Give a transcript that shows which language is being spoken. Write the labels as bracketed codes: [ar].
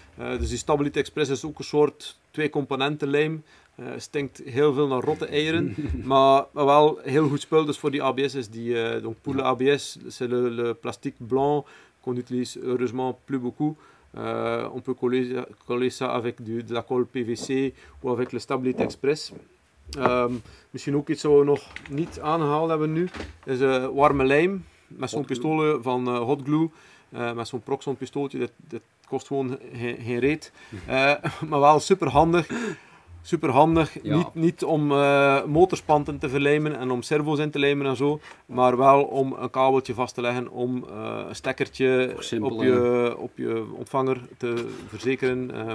[nl] Dus die Stabilite Express is ook een soort twee componenten lijm. Stinkt heel veel naar rotte eieren. Maar wel heel goed spul. Dus voor die ABS is die poule ABS. [fr] C'est le plastique blanc. Qu'on utilise heureusement plus beaucoup. On peut coller ça avec de la colle PVC. Ou avec le Stabilite Express. [nl] Misschien ook iets wat we nog niet aangehaald hebben nu. Is warme lijm. Met zo'n pistool van Hot Glue, met zo'n Proxon pistooltje, dat kost gewoon geen reet. Maar wel super handig. Ja. Niet om motorspanten te verlijmen en om servo's in te lijmen en zo, maar wel om een kabeltje vast te leggen, om een stekkertje op je ontvanger te verzekeren.